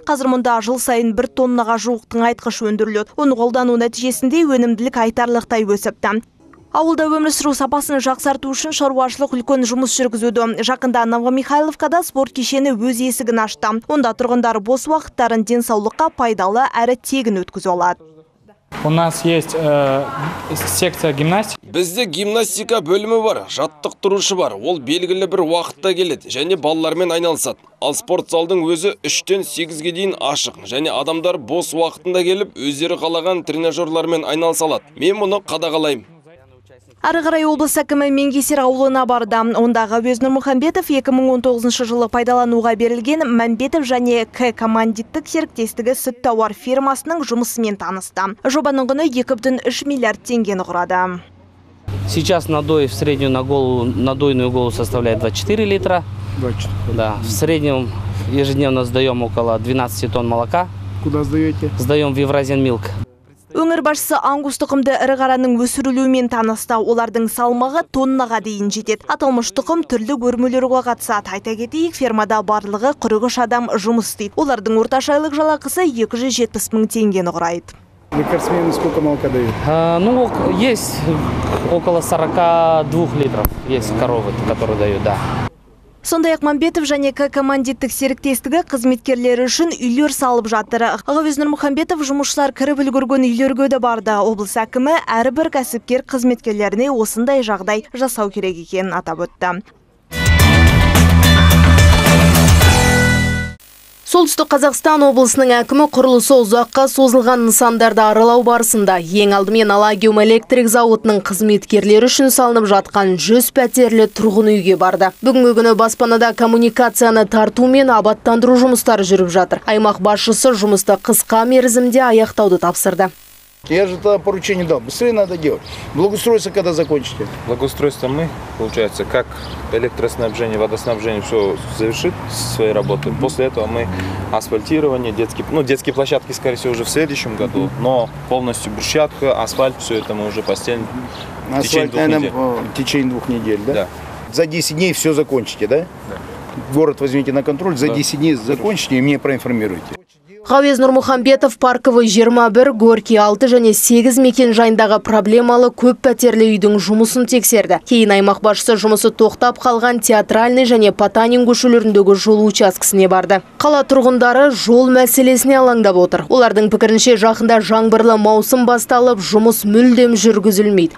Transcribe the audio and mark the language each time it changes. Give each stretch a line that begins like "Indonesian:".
Kazakh: Қазір мұнда жыл сайын 1 тоннаға жуық тыңайтқыш өндіріледі. Оны қолдану нәтижесінде өнімділік айтарлықтай өсіпті. Ауылда өмір сүру сапасын жақсарту үшін шаруашылық үлкен жұмыс жүргізуді. Жақында Новомихайловкада спорт кешені өз есігін ашты. Онда тұрғындар бос уақыттарын денсаулыққа пайдалы әрі тегін өткізе алады.
Russian: У нас есть секция гимнастики.
Kazakh: Бізде гимнастика бөлімі бар, жаттықтырушы бар. Ол белгілі бір уақытта келеді және балалармен айналысады. Ал спорт залдың өзі 3-тен 8-ге дейін ашық және адамдар бос уақытында келіп, өздері қалаған тренажерлармен айналыса алады. Мен мұны қадағалаймын. Ары қарай облыс әкімі Менгесер ауылына барды. Ондағы Ғавез Нұрмұхамбетов 2019 жылы пайдалануға берілген Мәмбетов және К командиттік серіктестігі сүт тауар фирмасының жұмысымен танысты. Жобаның құны 2,3 миллиард теңгені құрады.
Russian: Сейчас надой в среднюю на голову, надойную голову составляет 24 литра. 24. Да, в среднем ежедневно сдаем около 12 тонн молока. Куда сдаете? Сдаем в Евразиан Милк.
Kazakh: Өңір басшысы ангус тұқымды ірі қараның өсірілуімен танысты. Олардың салмағы тоннаға дейін жетеді. Аталмыш тұқым түрлі көрмелерге қатысады. Айта кетейік, фермада барлығы 43 адам жұмыс істейді. Олардың орташа айлық жалақысы 270 мың теңгені құрайды.
Russian: Рекордсмен сколько молока дает? Ну, есть около 42 литров. Есть коровы, которые дают, да.
Kazakh: Сонда Яқмамбетов және командиттік серіктестігі қызметкерлері үшін үйлер салып жатыры. Ғавез Нұрмұхамбетов жұмысшылар кіріп үлгірген үйлерге де барды. Облыс әкімі әрбір кәсіпкер қызметкерлеріне осындай жағдай жасау керек екенін атап өтті. Солтүстік Қазақстан облысының әкімі құрылысы ұзаққа созылған нысандарды аралау барысында ең алдымен Алагиум электрик зауытының қызметкерлері үшін салынып жатқан 100 пәтерлі тұрғын үйге барды. Бүгінгі күні баспанада коммуникацияны тарту мен абаттандыру жұмыстары жүріп жатыр. Аймақ басшысы жұмысты қысқа мерзімде аяқтауды тапсырды.
Russian: Я же это поручение дал. Быстрее надо делать. Благоустройство когда закончите? Благоустройство мы, получается, как электроснабжение, водоснабжение, все завершит свои работы. После этого мы асфальтирование, детские площадки, скорее всего, уже в следующем году. Но полностью брусчатка, асфальт, все это мы уже постелим в течение двух недель, да? Да. За 10 дней все закончите, да? Да. Город возьмите на контроль, за 10 дней закончите и мне проинформируйте.
Kazakh: Хавез Нурмухамбетов, Парковы 21, Горки 6 және 8 мекен жайындағы проблемалы көп пәтерлі үйдің жұмысын тексерді. Кейін аймақ башысы жұмысы тоқтап қалған театральный және Потанин көшелеріндегі жол учаскісіне барды. Қала тұрғындары жол мәселесіне алаңдап отыр. Олардың пікірінше жақында жаңбырлы маусым басталып, жұмыс мүлдем жүргізілмейді.